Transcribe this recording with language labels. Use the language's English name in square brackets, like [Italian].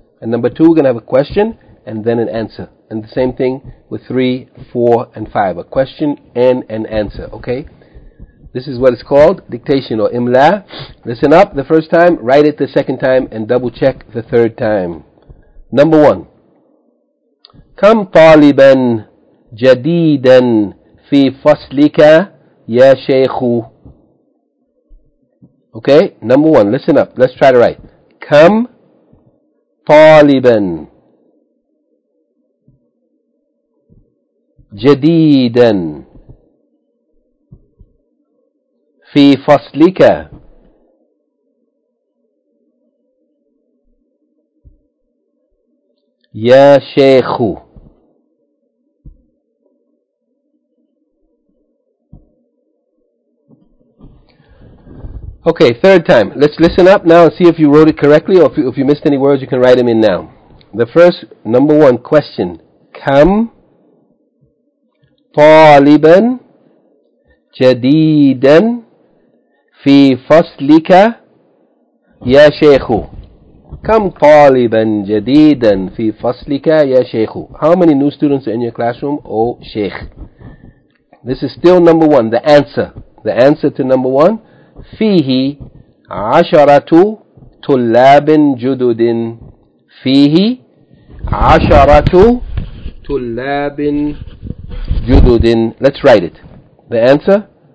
[English] And number two, we're going to have a question and then an answer. And the same thing with three, four, and five. A question and an answer, okay? This is what it's called, dictation or Imla. Listen up the first time, write it the second time, and double check the third time. Number one. [Arabic] كم طالبا جديدا في فصلك يا شيخ؟ [English] Okay, number one. Listen up. Let's try to write. [Arabic] كم طالبا جديدا في فصلك يا شيخ؟ [English] Okay, third time. Let's listen up now and see if you wrote it correctly or if you missed any words, you can write them in now. The first, number one question. [Arabic] كم طالبا جديدا في فصلك يا شيخ؟ كم طالبا جديدا في فصلك يا شيخ؟ [English] How many new students are in your classroom, oh Sheikh? This is still number one, the answer. The answer to number one. [Arabic] فيه عشرة طلاب جدد. فيه عشرة طلاب جدد. [English] Let's write it. The answer.